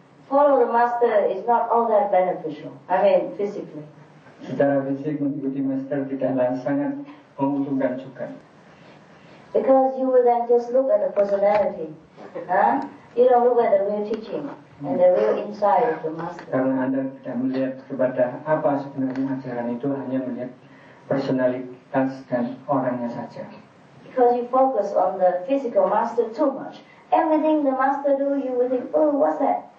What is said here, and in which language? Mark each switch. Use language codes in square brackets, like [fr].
[en] Follow the master is not all that beneficial. I mean, physically. [id] Secara fisik mengikuti master tidaklah sangat menguntungkan juga. [en] Because you will then just look at the personality, huh? You don't look at the real teaching and the real insight of the master. [id] Karena Anda tidak melihat kepada apa sebenarnya ajaran itu, hanya melihat personalitas dan orangnya saja. [en] Because you focus on the physical master too much. Everything the master do, you will think, oh, what's that?